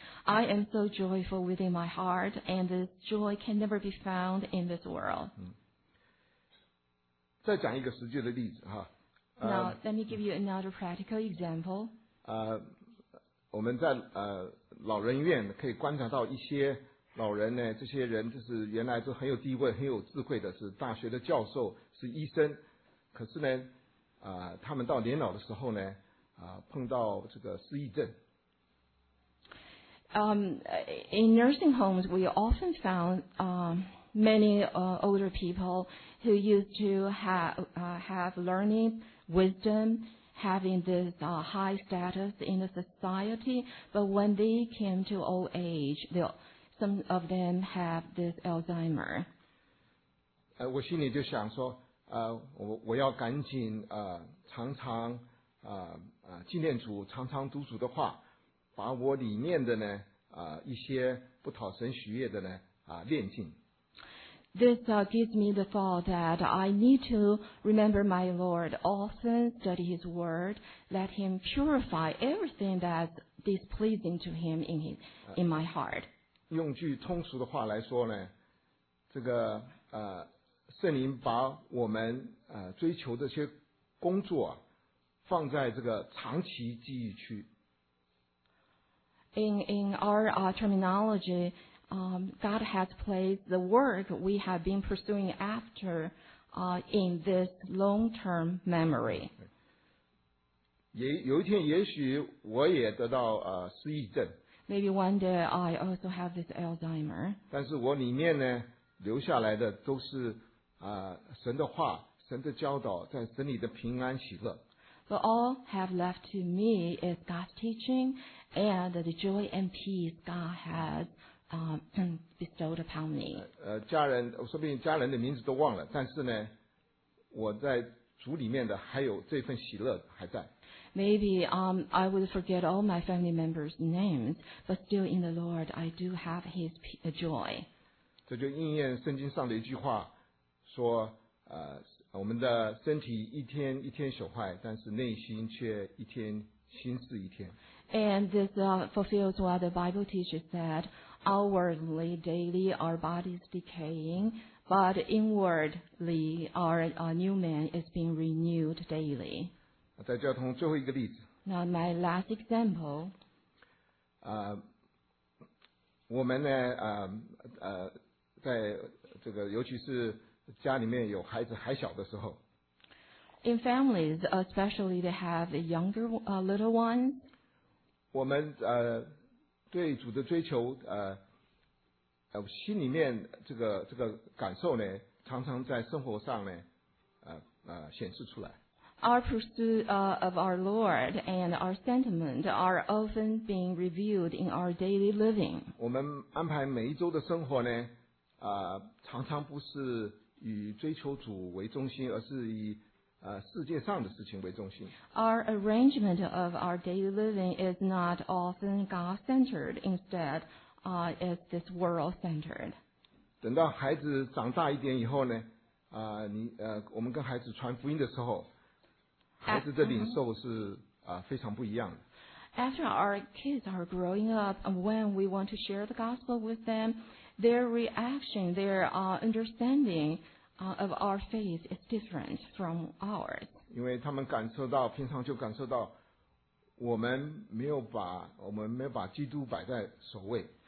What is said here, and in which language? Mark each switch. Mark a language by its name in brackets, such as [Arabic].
[English] I am so joyful within my heart, and this joy can never be found in this world. [Chinese] 再讲一个实际的例子哈。 [English] Now let me give you another practical example. [Chinese] 我们在老人院可以观察到一些老人呢，这些人就是原来都很有地位、很有智慧的，是大学的教授、是医生，可是呢，他们到年老的时候呢，碰到这个失忆症。 [English] In nursing homes, we often found many older people who used to have learning, wisdom, having this high status in the society. But when they came to old age, some of them have this Alzheimer. [Chinese] 我心里就想说，我要赶紧常常纪念主，常常读主的话，把我里面的呢。一些不讨神喜悦的呢炼净。 [English] This gives me the thought that I need to remember my Lord often, study His word, let Him purify everything that's displeasing to Him in my heart. [Chinese] 用句通俗的话来说呢，这个圣灵把我们追求这些工作放在这个长期记忆区。 [English] In our terminology, God has placed the work we have been pursuing after in this long-term memory. [Chinese] 有一天也许我也得到失忆症。 [English] Maybe one day I also have this Alzheimer. [Chinese] 但是我里面呢留下来的都是神的话，神的教导，在神里的平安喜乐。 [English] But all have left to me is God's teaching and the joy and peace God has bestowed upon me. [Chinese] 家人，说不定家人的名字都忘了，但是呢，我在主里面的还有这份喜乐还在。 [English] Maybe I would forget all my family members' names, but still in the Lord I do have His joy. [Chinese] 这就应验圣经上的一句话，说我们的身体一天一天朽坏，但是内心却一天新似一天。 [English] And this fulfills what the Bible teaches that outwardly, daily, our body is decaying, But inwardly, our new man is being renewed daily. [Chinese] 在交通最后一个例子。 [English] Now my last example. [Chinese] 我们呢，在这个尤其是家里面有孩子还小的时候。 [English] In families, especially they have a younger, little one. [Chinese] 我们对主的追求心里面这个感受呢，常常在生活上呢，显示出来。 [English] Our pursuit of our Lord and our sentiment are often being revealed in our daily living. [Chinese] 我们安排每一周的生活呢，常常不是以追求主为中心，而是以世界上的事情为中心。 [English] Our arrangement of our daily living is not often God-centered. Instead, is this world-centered. [Chinese] 等到孩子长大一点以后呢，我们跟孩子传福音的时候。孩子的领受是非常不一样的。 [English] After our kids are growing up, when we want to share the gospel with them, their reaction, their understanding of our faith is different from ours. [Chinese] 因为他们感受到，平常就感受到，我们没有把基督摆在首位。